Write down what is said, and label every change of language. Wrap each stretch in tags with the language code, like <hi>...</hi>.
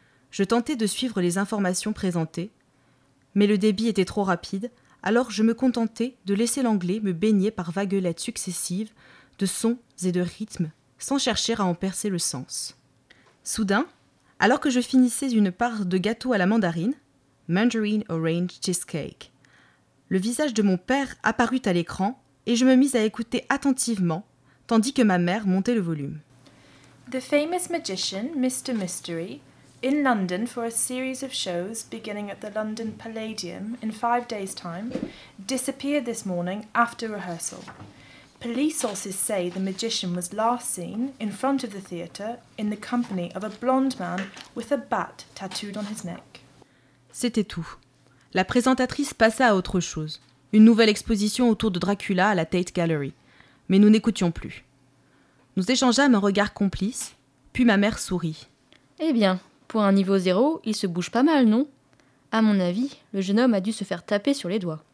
<fr>Je tentai de suivre les informations présentées, mais le débit était trop rapide, alors je me contentai de laisser l'anglais me baigner par vaguelettes successives de sons et de rythmes, sans chercher à en percer le sens. Soudain, alors que je finissais une part de gâteau à la mandarine, Mandarine Orange Cheesecake. Le visage de mon père apparut à l'écran et je me mis à écouter attentivement, tandis que ma mère montait le volume.</fr> <en>The famous magician, Mr. Mystery, in London for a series of shows beginning at the London Palladium in 5 days' time, disappeared this morning after rehearsal. Police sources say the magician was last seen in front of the theatre in the company of a blonde man with a bat tattooed on his neck.</en> <fr>C'était tout. La présentatrice passa à autre chose. Une nouvelle exposition autour de Dracula à la Tate Gallery. Mais nous n'écoutions plus. Nous échangeâmes un regard complice, puis ma mère sourit. Eh bien, pour un niveau zéro, il se bouge pas mal, non? À mon avis, le jeune homme a dû se faire taper sur les doigts,</fr>